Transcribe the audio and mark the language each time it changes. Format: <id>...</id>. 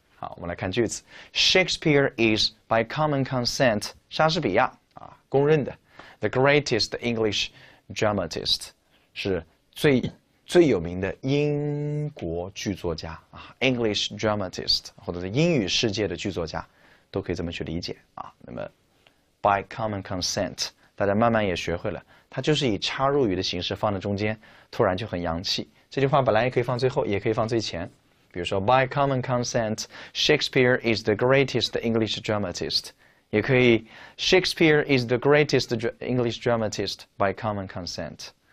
<zh>好，我们来看句子：</zh> <en>Shakespeare is by common consent</en> <zh>莎士比亚啊，公认的</zh> <en>the greatest English dramatist</en> <zh>是最有名的英国剧作家啊，</zh> <en>English dramatist</en> <zh>或者是英语世界的剧作家，都可以这么去理解啊。那么</zh> <en>by common consent。</en> <zh>大家慢慢也学会了，它就是以插入语的形式放在中间，突然就很洋气。这句话本来也可以放最后，也可以放最前。比如说，</zh> <en>By common consent, Shakespeare is the greatest English dramatist。</en> <zh>也可以，</zh> <en>Shakespeare is the greatest English dramatist by common consent。</en>